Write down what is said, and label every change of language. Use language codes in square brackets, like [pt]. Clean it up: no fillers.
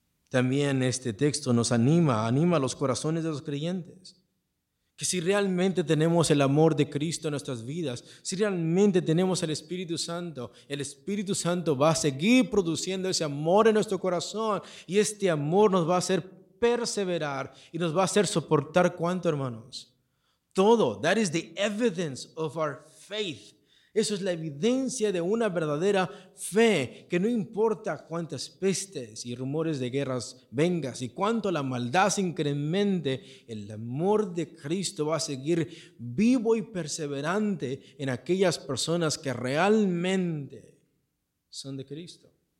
[es] También este texto nos anima los corazones de los creyentes, que si realmente tenemos el amor de Cristo en nuestras vidas, si realmente tenemos el Espíritu Santo va a seguir produciendo ese amor en nuestro corazón, y este amor nos va a hacer perseverar y nos va a hacer soportar, ¿cuánto, hermanos? Todo. [en] That is the evidence of our faith. [es] Eso es la evidencia de una verdadera fe, que no importa cuántas pestes y rumores de guerras vengas y cuánto la maldad se incremente, el amor de Cristo va a seguir vivo y perseverante en aquellas personas que realmente son de Cristo.